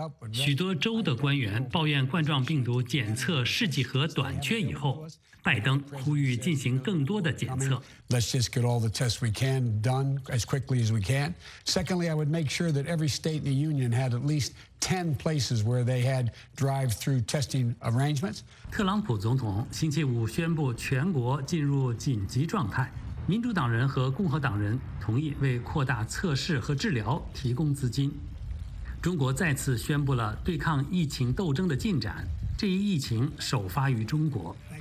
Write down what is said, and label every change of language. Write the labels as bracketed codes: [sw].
[zh] 许多州的官员抱怨冠状病毒检测试剂盒短缺以后，拜登呼吁进行更多的检测。 [en] Let's just get all the tests we can done as quickly as we can. Secondly, I would make sure that every state in the union had at least 10 places where they had drive-through testing arrangements. [zh] 特朗普总统星期五宣布全国进入紧急状态，民主党人和共和党人同意为扩大测试和治疗提供资金。中国再次宣布了对抗疫情斗争的进展，这一疫情首发于中国。